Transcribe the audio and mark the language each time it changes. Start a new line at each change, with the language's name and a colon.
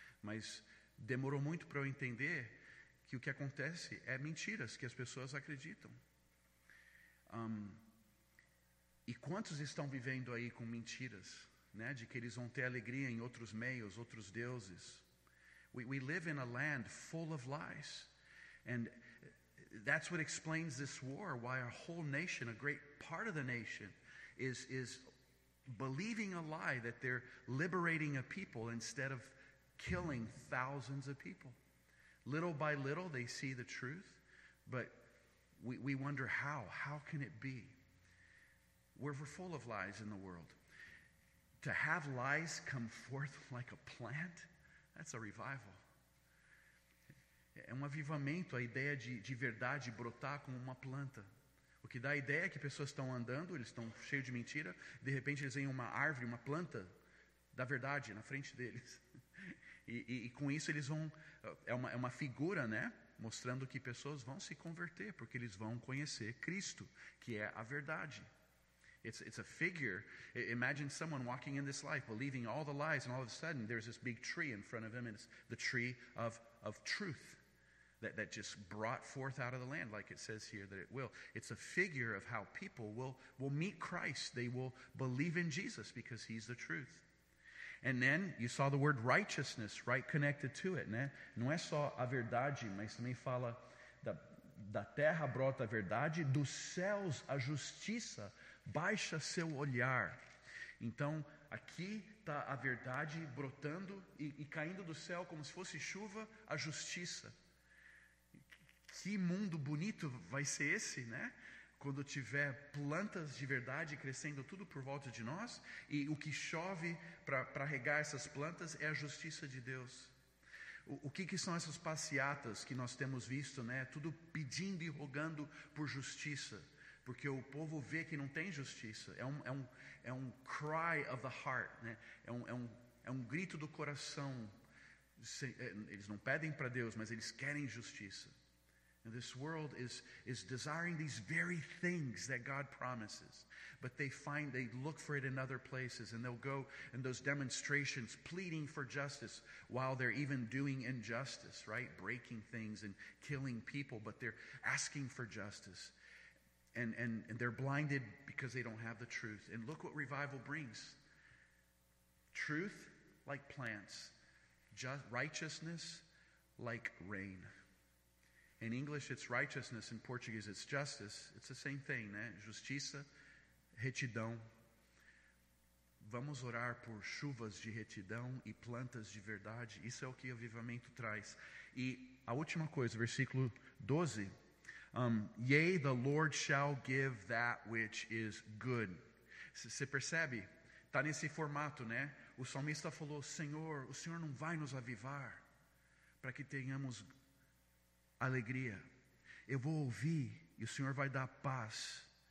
Portuguese: Mas demorou muito para eu entender que o que acontece é mentiras que as pessoas acreditam. E quantos estão vivendo aí com mentiras, né? De que eles vão ter alegria em outros meios, outros deuses.
English: We live in a land full of lies. And that's what explains this war, why our whole nation, a great part of the nation, is believing a lie that they're liberating a people instead of killing thousands of people. Little by little, they see the truth, but we wonder how. How can it be? We're full of lies in the world. To have lies come forth like a plant, that's a revival.
Portuguese: É um avivamento, a ideia de verdade brotar como uma planta. O que dá a ideia é que pessoas estão andando, eles estão cheios de mentira, de repente eles veem uma árvore, uma planta da verdade na frente deles. E com isso eles vão, é uma figura, né, mostrando que pessoas vão se converter, porque eles vão conhecer Cristo, que é a verdade.
English: It's a figure. Imagine someone walking in this life, believing all the lies, and all of a sudden there's this big tree in front of him, and it's the tree of truth that just brought forth out of the land, like it says here that it will. It's a figure of how people will meet Christ. They will believe in Jesus because he's the truth. And then you saw the word righteousness, right, connected to it, né?
Portuguese: Não é só a verdade, mas também fala da terra brota a verdade, dos céus a justiça baixa seu olhar. Então, aqui está a verdade brotando e caindo do céu como se fosse chuva, a justiça. Que mundo bonito vai ser esse, né? Quando tiver plantas de verdade crescendo tudo por volta de nós, e o que chove para regar essas plantas é a justiça de Deus. O que são essas passeatas que nós temos visto, né? Tudo pedindo e rogando por justiça. Porque o povo vê que não tem justiça. É um
English: cry of the heart,
Portuguese: né? É um grito do coração. Eles não pedem para Deus, mas eles querem justiça.
English: And this world is desiring these very things that God promises. But they look for it in other places, and they'll go in those demonstrations pleading for justice while they're even doing injustice, right? Breaking things and killing people, but they're asking for justice. And they're blinded because they don't have the truth. And look what revival brings. Truth like plants. Righteousness like rain. In English, it's righteousness. In Portuguese, it's justice. It's the same thing, né?
Portuguese: Justiça, retidão. Vamos orar por chuvas de retidão e plantas de verdade. Isso é o que o avivamento traz. E a última coisa, versículo 12.
English: Yea, the Lord shall give that which is good.
Portuguese: Você percebe? Está nesse formato, né? O salmista falou, Senhor, o Senhor não vai nos avivar para que tenhamos alegria. Eu vou ouvir e o Senhor vai dar paz.